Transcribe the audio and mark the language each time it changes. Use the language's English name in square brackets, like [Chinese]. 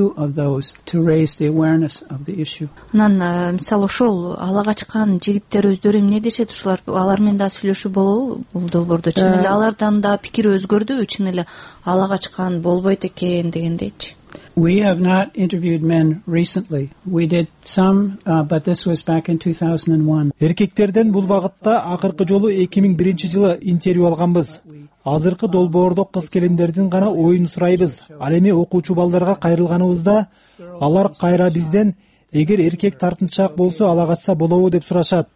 [Kyrgyz] Анан мисалы ошол ала качкан жигиттер өздөрү эмне дешет? Ушулар алар менен да сүйлөшүү болобу бул долбоордо? Чын эле алардан да пикир өзгөрдүбү? Чын эле ала качкан болбойт экен дегендейчи? [English] We have not interviewed men recently. We did some, but this was back in 2001. [Kyrgyz] Эркектерден бул багытта акыркы жолу 2001 жылы интервью алганбыз. Азыркы долбоордо кыз келиндердин гана оюн сурайбыз. Ал эми окуучу балдарга кайрылганыбызда, алар кайра бизден эгер эркек тартынчаак болсо ала качса болобу деп сурашат.